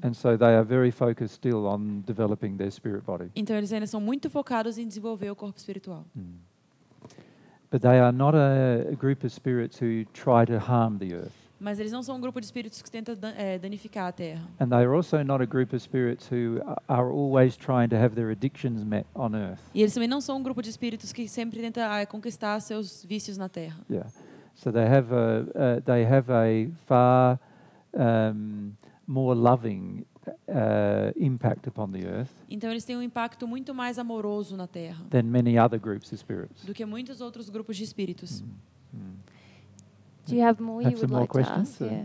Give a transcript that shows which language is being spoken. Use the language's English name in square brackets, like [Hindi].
[English] And so they are very focused still on developing their spirit body. [Portuguese] Então eles ainda são muito focados em desenvolver o corpo espiritual. [English] But they are not a group of spirits who try to harm the earth. [Portuguese] Mas eles não são um grupo de espíritos que tenta danificar a Terra. [English] And they are also not a group of spirits who are always trying to have their addictions met on Earth. [Portuguese] E eles também não são um grupo de espíritos que sempre tenta conquistar seus vícios na Terra. [English] Yeah, so they have a far more loving impact upon the Earth. [Portuguese] Então eles têm um impacto muito mais amoroso na Terra. [English] Than many other groups of spirits. [Portuguese] Do que muitos outros grupos de espíritos. [English] Do you have more you would like to ask?